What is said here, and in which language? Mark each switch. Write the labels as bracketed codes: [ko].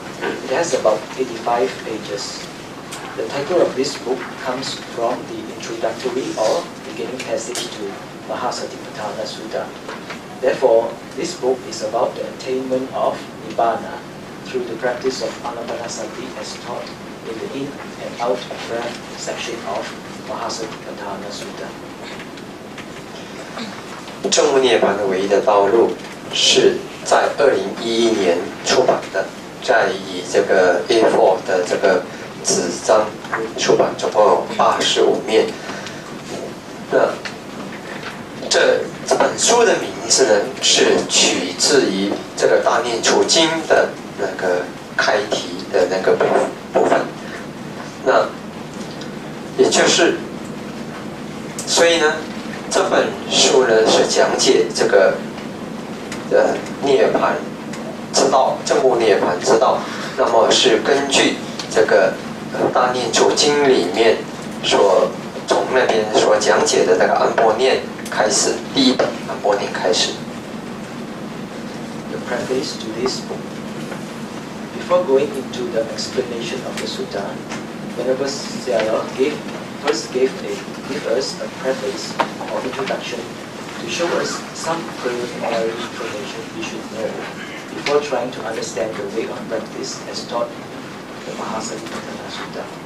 [en] It has about 85 pages. The title of this book comes from the introductory or beginning passage to Mahasatipatthana Sutta. Therefore, this book is about the attainment of Nibbana through the practice of Anapanasati as taught in the in and out breath section of Mahasatipatthana Sutta. [zh] 证悟涅槃的唯一的道路是在2011年出版的，在以这个 A4 的这个纸张出版，总共有85面。那这本书的名字呢，是取自于这个《大念处经》的那个开题的那个部分。那也就是，所以呢，这本书呢是讲解这个涅槃之道，证悟涅槃之道。那么是根据这个《大念处经》里面所从那边所讲解的那个安波念开始，第一本安波念开始。 [en] The preface to this book. Before going into the explanation of the sutta, Venerable Xiaolo gave us a preface or introduction to show us some preliminary information we should know before trying to understand the way of practice as taught the Mahasatipatthana Sutta.